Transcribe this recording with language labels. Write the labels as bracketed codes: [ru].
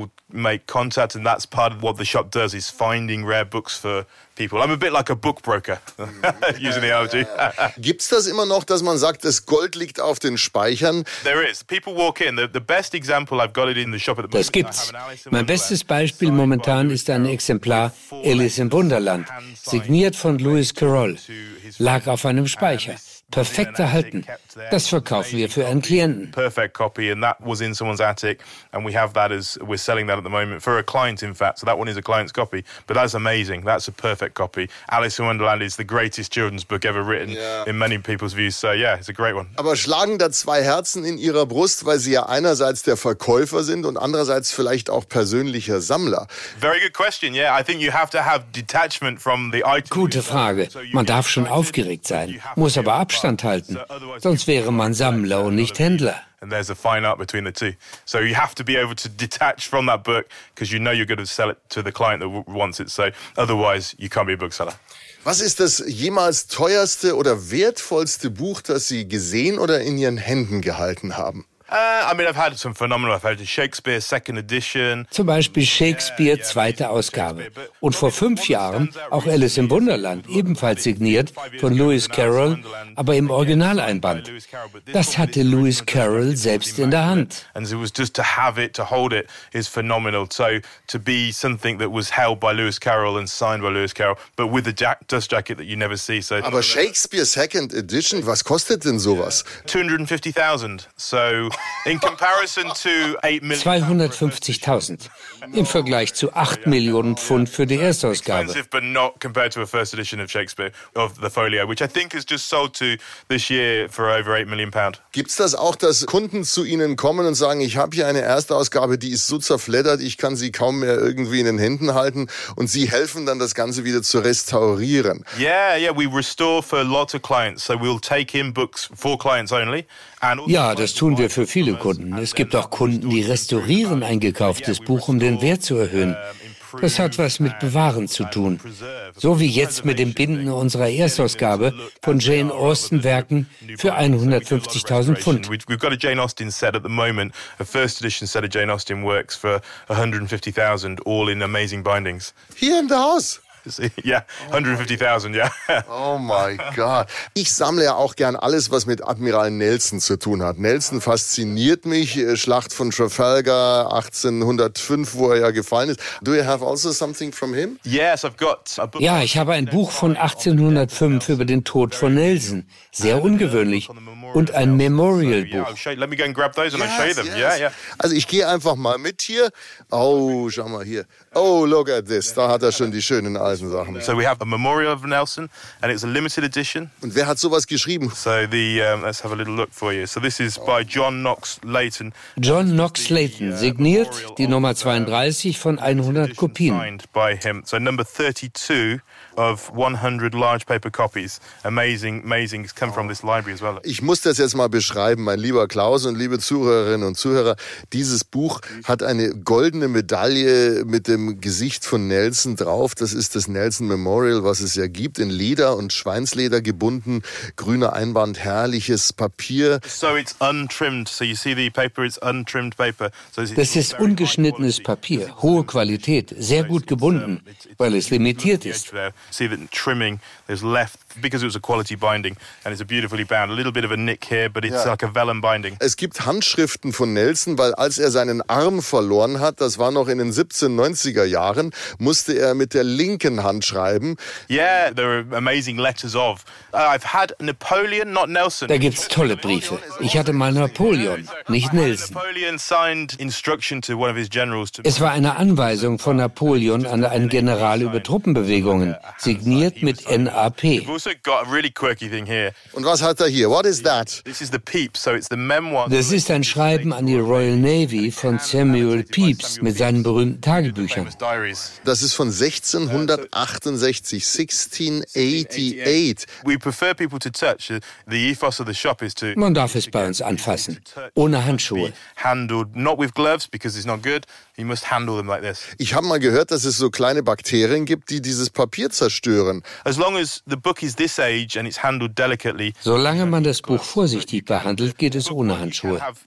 [en] Make contact, and that's part of what the shop does, is finding rare books for people. I'm a bit like a bookbroker, using the analogy. [de] Gibt's das immer noch, dass man sagt, das Gold liegt auf den Speichern? [en] There is. People walk in. The best example I've got it in the shop at the moment. [de] Das gibt's. Mein bestes Beispiel momentan ist ein Exemplar Alice im Wunderland, signiert von Lewis Carroll, lag auf einem Speicher. Perfekt erhalten. Das verkaufen wir für einen Klienten. [en] Perfect copy, and that was in someone's attic, and we have that as we're selling that at the moment for a client, in fact. So that one is a client's copy, but that's amazing. That's a perfect copy. Alice in Wonderland is the greatest children's book ever written, yeah, in many people's views. So yeah, it's a great one. [de] Aber schlagen da zwei Herzen in Ihrer Brust, weil Sie ja einerseits der Verkäufer sind und andererseits vielleicht auch persönlicher Sammler. [en] Very good question. Yeah, I think you have to have detachment from the item. [de] Gute Frage. Man darf schon aufgeregt sein, muss aber Abstand halten, sonst wäre man Sammler und nicht Händler. [en] And there's a fine art between the two. So you have to be able to detach from that book, because you know you're going to sell it to the client that wants it. So otherwise, you can't be a bookseller. [de] Was ist das jemals teuerste oder wertvollste Buch, das Sie gesehen oder in Ihren Händen gehalten haben? [en] I've had some phenomenal. I've had Shakespeare second edition. [de] Zum Beispiel Shakespeare zweite Ausgabe. Und vor 5 Jahren auch Alice im Wunderland, ebenfalls signiert von Lewis Carroll, aber im Originaleinband. Das hatte Lewis Carroll selbst in der Hand. [en] And it was just to have it, to hold it, is phenomenal. So to be something that was held by Lewis Carroll and signed by Lewis Carroll, but with a dust jacket that you never see. So. [de] Aber Shakespeare [en] second edition, [de] was kostet denn sowas? [en] 250,000. So. [de] 250.000 im Vergleich zu 8 Millionen Pfund für die Erstausgabe. [en] Expensive, but not compared to a first edition of Shakespeare, of the Folio, which I think is just sold to this year for over 8 million pound. [de] Gibt's das auch, dass Kunden zu Ihnen kommen und sagen, ich habe hier eine Erstausgabe, die ist so zerfleddert, ich kann sie kaum mehr irgendwie in den Händen halten, und Sie helfen dann, das Ganze wieder zu restaurieren? [en] Yeah, we restore for lots of clients, so we'll take in books for clients only. [de] Ja, das tun wir für viele Kunden. Es gibt auch Kunden, die restaurieren ein gekauftes Buch, um den Wert zu erhöhen. Das hat was mit Bewahren zu tun. So wie jetzt mit dem Binden unserer Erstausgabe von Jane Austen Werken für 150.000 Pfund. [en] We've got a Jane Austen set at the moment, a first edition set of Jane Austen works for 150.000, all in amazing bindings. [de] Hier im Haus. [en] Yeah, 150,000, yeah. Oh my God. [de] Ich sammle ja auch gern alles, was mit Admiral Nelson zu tun hat. Nelson fasziniert mich. Schlacht von Trafalgar 1805, wo er ja gefallen ist. [en] Do you have also something from him? Yes, I've got a book. [de] Ja, ich habe ein Buch von 1805 über den Tod von Nelson. Sehr ungewöhnlich. Und ein Memorial-Buch. [en] Let me go and grab those and I'll show you them. [de] Also ich gehe einfach mal mit hier. [en] Oh, schau mal hier. Oh, look at this. [de] Da hat er schon die schönen alten Sachen. [en] So we have a memorial of Nelson and it's a limited edition. [de] Und wer hat sowas geschrieben? [en] So the let's have a little look for you. So this is by John Knox Layton. [de] John Knox Layton signiert die Nummer 32 von 100 Kopien. [en] Signed by him. So number 32 of 100 large paper copies. Amazing, amazing. It's come from this library as well. [de] Ich muss das jetzt mal beschreiben, mein lieber Klaus und liebe Zuhörerinnen und Zuhörer. Dieses Buch hat eine goldene Medaille mit dem Gesicht von Nelson drauf. Das ist das Nelson Memorial, was es ja gibt, in Leder und Schweinsleder gebunden. Grüner Einband, herrliches Papier. [en] So it's untrimmed. So you see the paper, it's untrimmed paper. So it's [de] das ist ungeschnittenes Papier, hohe Qualität, sehr gut gebunden, weil es limitiert ist. [en] See the trimming is left because it was a quality binding and it's a beautifully bound. A little bit of a nick here, but it's like a vellum binding. [de] Es gibt Handschriften von Nelson, weil als er seinen Arm verloren hat, das war noch in den 1790er Jahren, musste er mit der linken Hand schreiben. [en] Yeah, there are amazing letters of. I've had Napoleon, not Nelson. [de] Da gibt's tolle Briefe. Ich hatte mal Napoleon, nicht Nelson. [en] Napoleon signed instruction to one of his generals. [de] Es war eine Anweisung von Napoleon an einen General über Truppenbewegungen, signiert mit NAP. [en] We've also got a really quirky thing here. [de] Und was hat er hier? [en] What is that? This is the Pepys, so it's the memoir. [de] Das ist ein Schreiben an die Royal Navy von Samuel Pepys mit seinen berühmten Tagebüchern. Das ist von 1668, 1688. [en] We prefer people to touch. The ethos of the shop is to. [de] Man darf es bei uns anfassen, ohne Handschuhe. [en] Handled not with gloves because it's not good. You must handle them like this. [de] Ich habe mal gehört, dass es so kleine Bakterien gibt, die dieses Papier zerstören. [en] As long as the book is this age and it's handled delicately. [de] Solange man das Buch vorsichtig behandelt, geht es ohne Handschuhe.